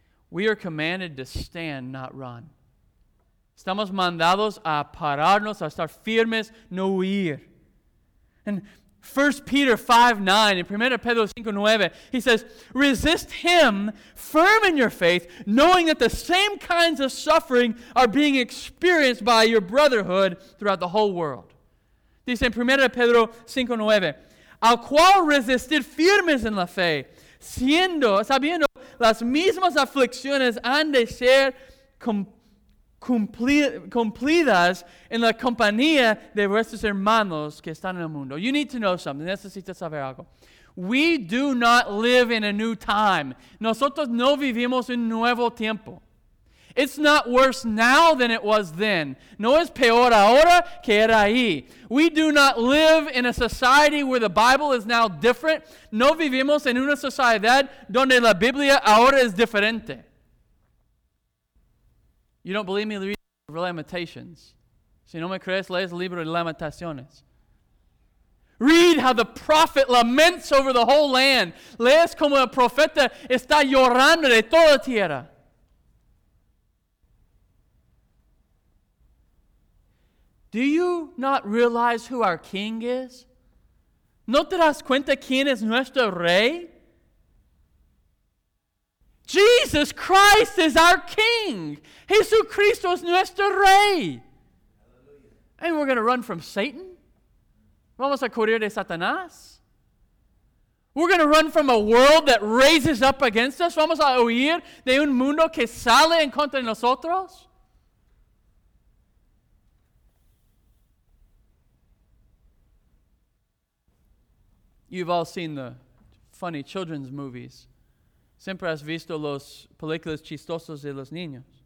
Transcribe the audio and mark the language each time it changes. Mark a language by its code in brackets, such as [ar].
[en] We are commanded to stand, not run. [es] Estamos mandados a pararnos, a estar firmes, no huir. And [en] 1 Peter 5:9 and 1 Pedro 5:9, he says, resist him firm in your faith, knowing that the same kinds of suffering are being experienced by your brotherhood throughout the whole world. [es] Dice en 1 Pedro 5:9, al cual resistid firmes en la fe, sabiendo las mismas aflicciones han de ser cumplidas en la compañía de vuestros hermanos que están en el mundo. [en] You need to know something. [es] Necesitas saber algo. [en] We do not live in a new time. [es] Nosotros no vivimos un nuevo tiempo. [en] It's not worse now than it was then. [es] No es peor ahora que era ahí. [en] We do not live in a society where the Bible is now different. [es] No vivimos en una sociedad donde la Biblia ahora es diferente. [en] You don't believe me? Read the [es] libro de Lamentaciones. Si no me crees, lee el libro de Lamentaciones. [en] Read how the prophet laments over the whole land. [es] Lees como el profeta está llorando de toda tierra. [en] Do you not realize who our king is? [es] ¿No te das cuenta quién es nuestro rey? [en] Jesus Christ is our king. [es] Jesucristo es nuestro rey. [en] And we're going to run from Satan? [es] ¿Vamos a correr de Satanás? [en] We're going to run from a world that raises up against us? [es] ¿Vamos a huir de un mundo que sale en contra de nosotros? [en] You've all seen the funny children's movies. [es] Siempre has visto los películas chistosos de los niños.